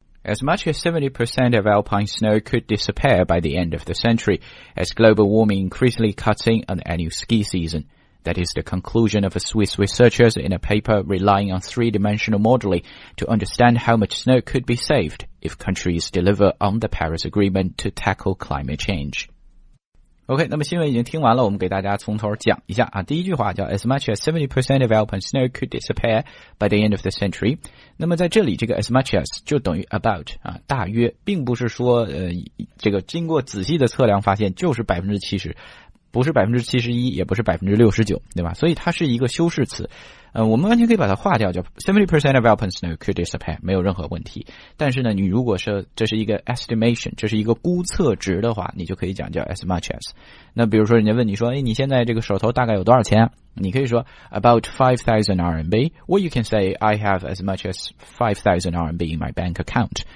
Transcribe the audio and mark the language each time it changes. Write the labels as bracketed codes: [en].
[en] as much as 70% of alpine snow could disappear by the end of the century, as global warming increasingly cuts in on the annual ski season. That is the conclusion of Swiss researchers in a paper relying on three-dimensional modeling to understand how much snow could be saved if countries deliver on the Paris Agreement to tackle climate change. [zh] OK, 那么新闻已经听完了，我们给大家从头讲一下啊。第一句话叫 [en] As much as 70% of alpine snow could disappear by the end of the century. [zh] 那么在这里这个 as much as 就等于 about, 啊，大约，并不是说这个经过仔细的测量发现就是 70%, 不是 71%, 也不是 69%, 对吧？所以它是一个修饰词。我们完全可以把它划掉，叫 [en] 70% of alpine snow could disappear, [zh] 没有任何问题。但是呢，你如果是这是一个 estimation, 这是一个估测值的话，你就可以讲叫 as much as。那比如说人家问你说，哎，你现在这个手头大概有多少钱？你可以说 [en] about 5,000 RMB, or you can say I have as much as 5,000 RMB in my bank account.